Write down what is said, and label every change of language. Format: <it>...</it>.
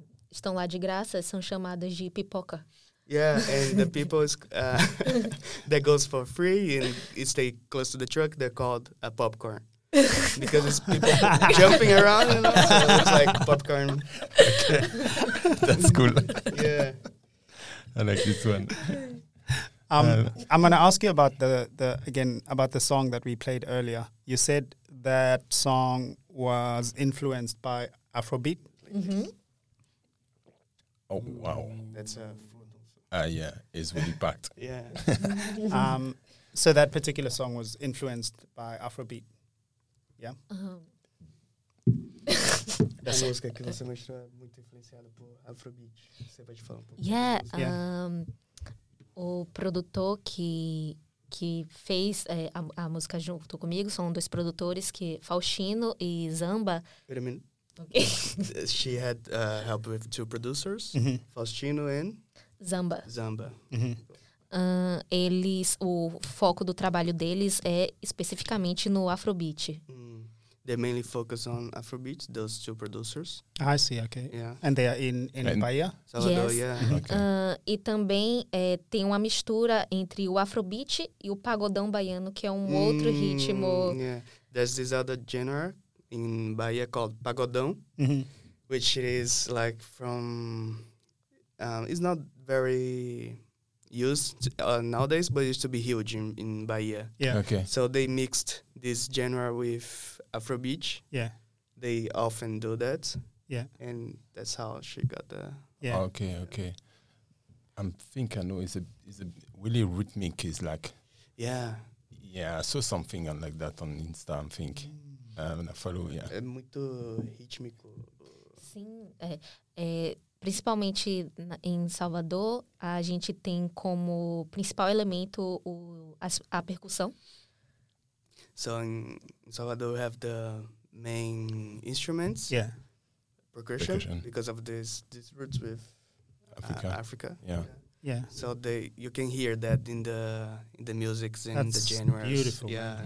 <pt>estão lá de graça, são chamadas de pipoca.</pt> <en>Yeah, and the people that goes for free and stay close to the truck, they're called a popcorn. Because it's people jumping around, you know, so it's like popcorn. Okay. That's cool. Yeah. I like this one. I'm going to ask you about the song that we played earlier. You said that song was influenced by Afrobeat. Mm-hmm. Oh, wow. That's a food also. It's really packed. Yeah. So that particular song was influenced by Afrobeat. Yeah?</en> <pt>Uh-huh. A música que você mostrou é muito influenciada por Afrobeat. Você pode falar um pouco?</pt> <en>Yeah.</en> <pt>O produtor que fez a música junto comigo são dois produtores, que Faustino e Zamba.</pt> <en>Wait a minute. Okay. She had help with two producers, mm-hmm. Faustino and Zamba. Mm-hmm.</en> <pt>Eles, o foco do trabalho deles é especificamente no Afrobeat.</pt> <en>They mainly focus on Afrobeat, those two producers. I see, okay. Yeah. And they are in Bahia? Salvador, yes. Yeah. Okay.</en> <pt>E também tem uma mistura entre o Afrobeat e o Pagodão Baiano, que é um outro ritmo.</pt> <en>Yeah. There's this other genre in Bahia called Pagodão, mm-hmm. which is like from, it's not very used nowadays, but it used to be huge in Bahia. Yeah. Okay. So they mixed this genre with Afrobeat. Yeah. They often do that. Yeah. And that's how she got the... Yeah. Okay, okay. I think I know it's a really rhythmic, is like... Yeah. Yeah, I saw something like that on Insta, I think.</en> <pt>É muito rítmico. Sim, principalmente em Salvador, a gente tem como principal elemento a percussão.</pt> <en>So in Salvador we have the main instruments. Yeah. Percussion. Because of this roots with Africa. Yeah. Yeah. So you can hear that in the music and that's the genres. Beautiful. Yeah.</en>